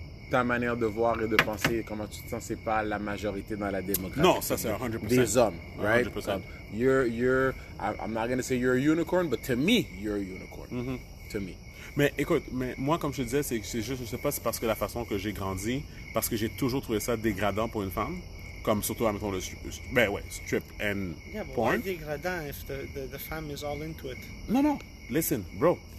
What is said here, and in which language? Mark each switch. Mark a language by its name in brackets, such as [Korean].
[French] Ta manière de voir et de penser, comment tu te sens, c'est pas la majorité dans la démocratie. Non, ça c'est 100%. Des hommes, right? 100%. [English] I'm not going to say you're a unicorn, but to me, you're a unicorn. Mm-hmm. To me. [French] Mais écoute, mais moi, comme je te disais, c'est juste, je sais pas, c'est parce que la façon que j'ai grandi, parce que j'ai toujours trouvé ça dégradant pour une femme, comme surtout, admettons, le strip and [English] yeah, Yeah, but why dégradant if the femme is all into it? [French] Non, non. [English] Listen, bro.